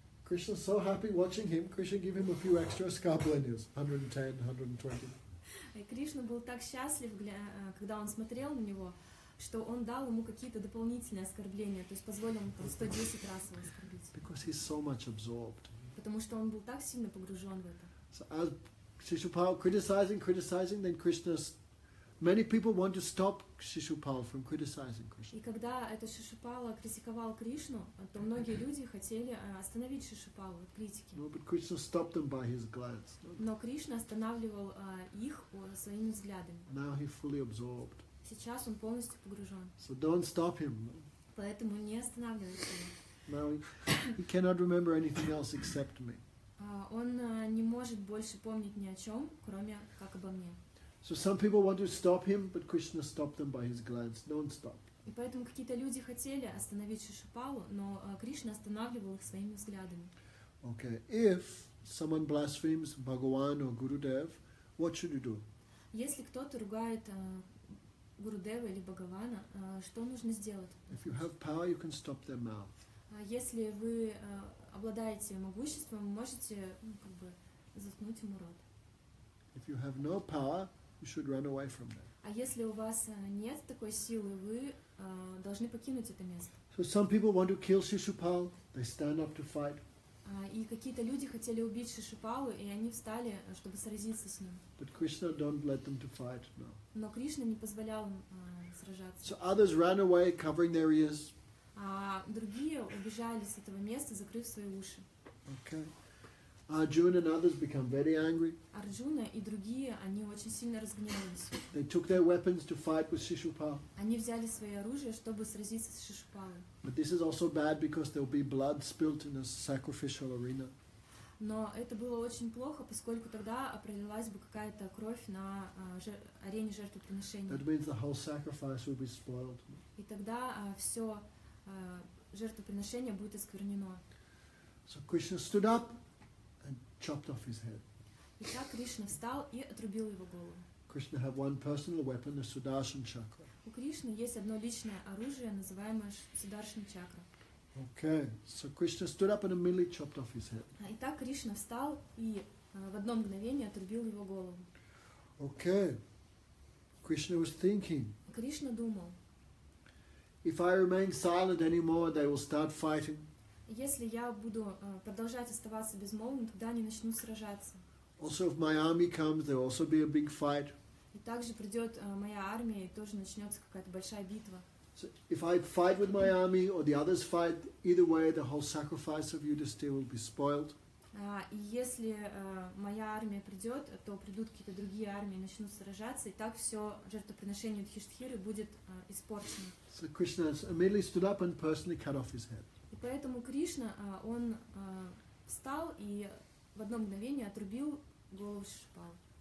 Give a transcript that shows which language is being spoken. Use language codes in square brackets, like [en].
[en] Krishna so happy watching him. Krishna give him a few extra оскорблений, 110, 120. [ru] Кришна был так счастлив, когда он смотрел на него, что он дал ему какие-то дополнительные оскорбления, то есть позволил ему 110 раз его оскорбить. [en] Because he's so much absorbed. [ru] Потому что он был так сильно погружен в это. [en] So as Shishupala criticizing, then Krishna's many people want to stop Shishupala from criticizing Krishna. [ru] И когда это Шишупала критиковал Кришну, то многие люди хотели остановить Шишупалу от критики. [en] No, but Krishna stopped them by his glance. [ru] Но Кришна останавливал их своими взглядами. [en] Now he fully absorbed. [ru] Сейчас он полностью погружен. [en] So don't stop him. [ru] Поэтому не останавливайте его. [en] Now he cannot remember anything else except me. [ru] Он не может больше помнить ни о чем, кроме как обо мне. [en] So some people want to stop him, but Krishna stopped them by his glance. Don't stop. [ru] И поэтому какие-то люди хотели остановить Шишупалу, но Кришна останавливал их своими взглядами. [en] Okay. If someone blasphemes Bhagavan or Gurudev, what should you do? [ru] Если кто-то ругает Гурудева или Бхагавана, что нужно сделать? [en] If you have power, you can stop their mouth. [ru] Если вы обладаете могуществом, можете, ну, как бы заткнуть ему рот. [en] If you have no power, you should run away from there. [ru] А если у вас нет такой силы, вы должны покинуть это место. [en] So some people want to kill Shishupala, they stand up to fight. [ru] И какие-то люди хотели убить Шишупалу, и они встали, чтобы сразиться с ним. [en] But Krishna don't let them to fight, no. [ru] Но Кришна не позволял им сражаться. [en] So others ran away, covering their ears. [ru] А другие убежали с этого места, закрыв свои уши. [en] Okay. Arjuna and others become very angry. [ru] Arjuna и другие, они очень сильно разгневались. [en] They took their weapons to fight with Shishupala. [ru] Они взяли свои оружия, чтобы сразиться с Шишупалой. [en] But this is also bad because there will be blood spilt in a sacrificial arena. [ru] Но это было очень плохо, поскольку тогда пролилась бы какая-то кровь на арене жертвоприношения. [en] That means the whole sacrifice will be spoiled. [ru] И тогда все жертвоприношение будет осквернено. [en] So Krishna stood up and chopped off his head. [ru] И так Кришна встал и отрубил его голову. [en] Krishna have one personal weapon, the Sudarshan chakra. [ru] У Кришны есть одно личное оружие, называемое Сударшан чакра. [en] Okay, so Krishna stood up and immediately chopped off his head. [ru] И так Кришна встал и в одно мгновение отрубил его голову. [en] Okay, Krishna was thinking. [ru] Кришна думал. [en] If I remain silent anymore, they will start fighting. [ru] Если я буду продолжать оставаться безмолвным, тогда они начнут сражаться. [en] Also, if my army comes, there will also be a big fight. [ru] И также придет моя армия, и тоже начнется какая-то большая битва. [en] So, if I fight with my army or the others fight, either way, the whole sacrifice of Yudhishthira will be spoiled. [ru] И если моя армия придет, то придут какие-то другие армии, начнут сражаться, и так все жертвоприношение Юдхиштхиры будет испорчено. [en] So Krishna immediately stood up and personally cut off his head. [ru] И поэтому Кришна, он встал и в одно мгновение отрубил голову Шишупалы.